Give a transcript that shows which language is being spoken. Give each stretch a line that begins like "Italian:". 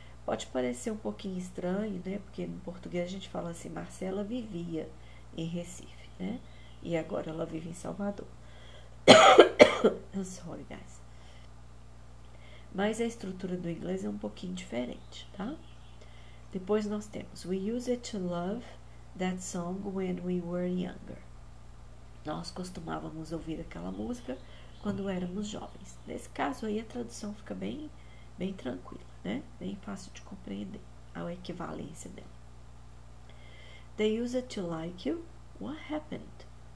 Portuguese: Pode parecer um pouquinho estranho, né? Porque no português a gente fala assim, Marcela vivia em Recife, né? E agora ela vive em Salvador.
English: I'm sorry, guys.
Portuguese: Mas a estrutura do inglês é um pouquinho diferente, tá? Depois nós temos:
English: We used to love that song when we were younger.
Portuguese: Nós costumávamos ouvir aquela música quando éramos jovens. Nesse caso aí a tradução fica bem, bem tranquila, né? Bem fácil de compreender a equivalência dela.
English: They used to like you. What happened?